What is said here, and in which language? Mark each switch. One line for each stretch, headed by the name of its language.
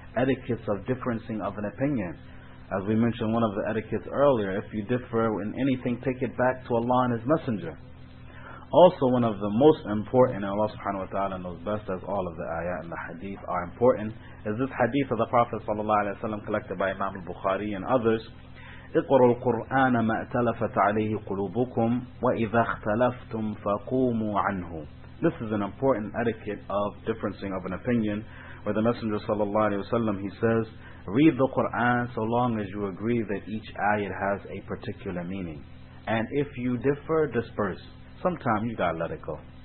English: Etiquettes of differencing of an opinion. As we mentioned one of the etiquettes earlier, if you differ in anything, take it back to Allah and His Messenger. Also, one of the most important, and Allah subhanahu wa ta'ala knows best, as all of the ayat and the hadith are important, is this hadith of the Prophet sallallahu alayhi wa sallam collected by Imam al-Bukhari and others.
Arabic: اقروا القرآن ما اتلفت عليه قلوبكم وإذا اختلفتم فقوموا عنه.
English: This is an important etiquette of differencing of an opinion, where the Messenger sallallahu alayhi wa sallam, he says, read the Qur'an so long as you agree that each ayat has a particular meaning. And if you differ, disperse. Sometimes you gotta let it go.